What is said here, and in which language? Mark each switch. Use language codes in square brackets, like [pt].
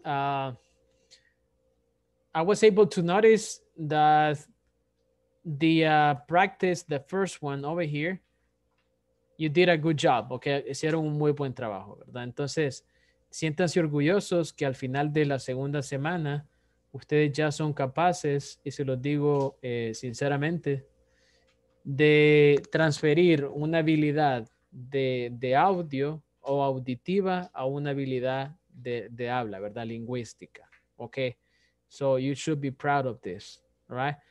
[en] I was able to notice that the practice, the first one over here, you did a good job, okay? [es] Hicieron un muy buen trabajo, ¿verdad? Entonces, siéntanse orgullosos que al final de la segunda semana, ustedes ya son capaces, y se los digo sinceramente, de transferir una habilidad de audio o auditiva a una habilidad de habla, ¿verdad? Lingüística, okay? [en] So you should be proud of this, right?